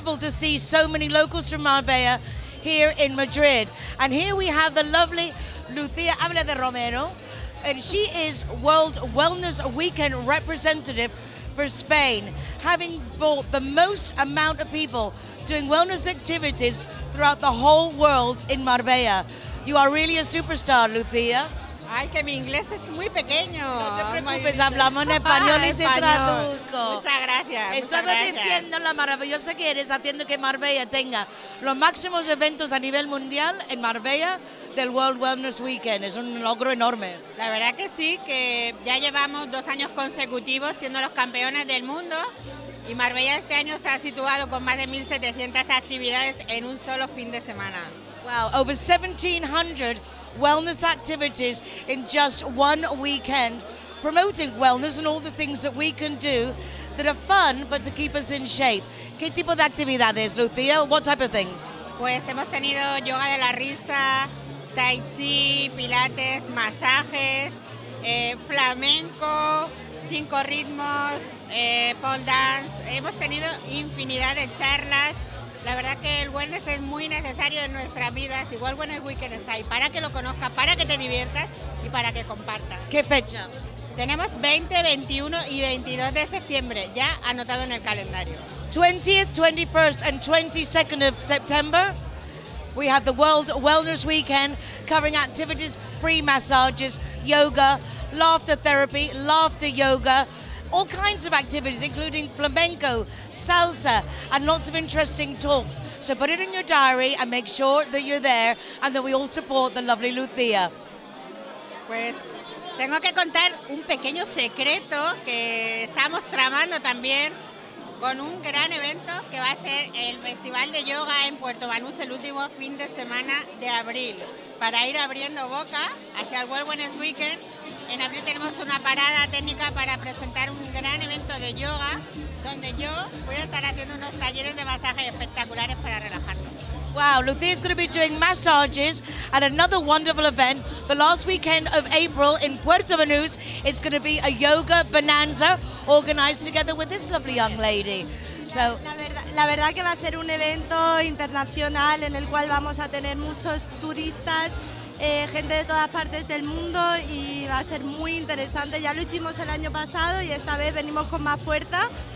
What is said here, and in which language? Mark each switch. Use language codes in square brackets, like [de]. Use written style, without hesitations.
[en] See so many locals from Marbella here in Madrid, and here we have the lovely Lucia Ávila de Romero, and she is World Wellness Weekend representative for Spain, having brought the most amount of people doing wellness activities throughout the whole world in Marbella. You are really a superstar, Lucia. [es] Ay, que mi inglés es muy pequeño. No te preocupes, hablamos en español y te traduzco. Muchas gracias. Estaba diciendo lo maravilloso que eres, haciendo que Marbella tenga los máximos eventos a nivel mundial en Marbella del World Wellness Weekend. Es un logro enorme. La verdad que sí, que ya llevamos 2 años consecutivos siendo los campeones del mundo y Marbella este año se ha situado con más de 1.700 actividades en un solo fin de semana. [en] Wow, over 1,700 wellness activities in just one weekend, promoting wellness and all the things that we can do that are fun but to keep us in shape. [es] ¿Qué tipo de actividades, Lucia? [en] What type of things? [es] Pues hemos tenido yoga de la risa, tai chi, pilates, masajes, flamenco, cinco ritmos, pole dance. Hemos tenido infinidad de charlas. La verdad que el wellness es muy necesario en nuestras vidas. Igual Wellness Weekend está ahí para que lo conozcas, para que te diviertas y para que compartas. ¿Qué fecha? Tenemos 20, 21 y 22 de septiembre, ya anotado en el calendario. [en] 20th, 21st and 22nd of September, we have the World Wellness Weekend covering activities, free massages, yoga, laughter therapy, laughter yoga, all kinds of activities, including flamenco, salsa, and lots of interesting talks. So put it in your diary and make sure that you're there and that we all support the lovely Lucía. [es] Pues tengo que contar un pequeño secreto que estamos tramando también con un gran evento que va a ser el Festival de Yoga en Puerto Banús el último fin de semana de abril. Para ir abriendo boca hacia el World Wellness Weekend, en abril tenemos una parada técnica para presentar un gran evento de yoga donde yo voy a estar haciendo unos talleres de masajes espectaculares para relajarnos. [en] Wow, Lucía is going to be doing massages at another wonderful event. The last weekend of April in Puerto Banús, it's going to be a yoga bonanza organized together with this lovely young lady. So, [es] la verdad que va a ser un evento internacional en el cual vamos a tener muchos turistas, gente de todas partes del mundo, y va a ser muy interesante. Ya lo hicimos el año pasado y esta vez venimos con más fuerza.